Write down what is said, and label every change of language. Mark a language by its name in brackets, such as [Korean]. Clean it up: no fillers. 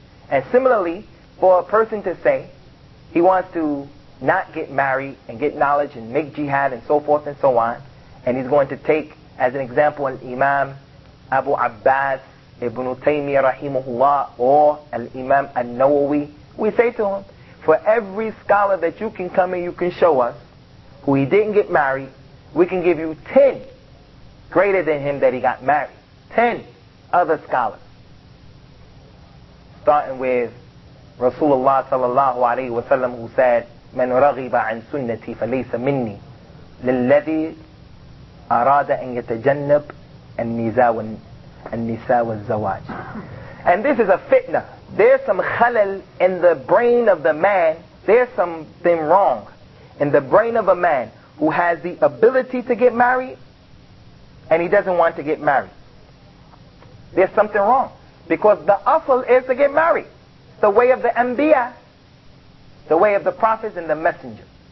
[English] And similarly, for a person to say he wants to not get married and get knowledge and make jihad and so forth and so on, and he's going to take as an example al-Imam Abu Abbas Ibn Taymiyyah rahimahullah or al-Imam al-Nawawi, we say to him, for every scholar that you can come and you can show us who he didn't get married, we can give you 10 greater than him that he got married. 10 other scholars. Starting with Rasulullah sallallahu alayhi wa sallam, who said, [Arabic] من رغب عن سنتي فليس مني للذي أراد أن يتجنب النساء والزواج. [English] And this is a fitna. There's some khalal in the brain of the man. There's something wrong in the brain of a man who has the ability to get married and he doesn't want to get married. There's something wrong, because the asl is to get married. The way of the Anbiya, the way of the prophets and the messenger.